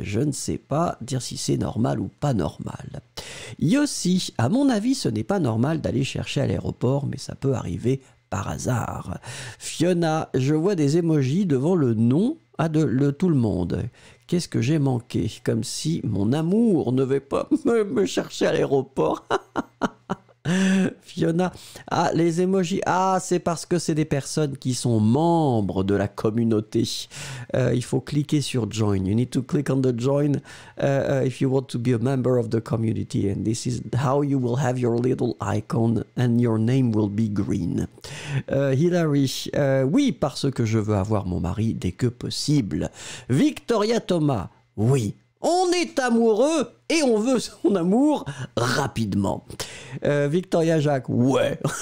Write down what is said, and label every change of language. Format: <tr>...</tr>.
<fr>Je ne sais pas dire si c'est normal ou pas normal. » Yossi « À mon avis, ce n'est pas normal d'aller chercher à l'aéroport, mais ça peut arriver par hasard. » Fiona « Je vois des émojis devant le nom à de tout le monde. Qu'est-ce que j'ai manqué? Comme si mon amour ne devait pas me chercher à l'aéroport. Fiona, ah, les emojis, ah, c'est parce que c'est des personnes qui sont membres de la communauté. Il faut cliquer sur join.</fr> <en>You need to click on the join if you want to be a member of the community. And this is how you will have your little icon and your name will be green.</en> <fr>Hilary, oui, parce que je veux avoir mon mari dès que possible. Victoria Thomas, oui. On est amoureux et on veut son amour rapidement. Victoria Jacques, ouais.</fr>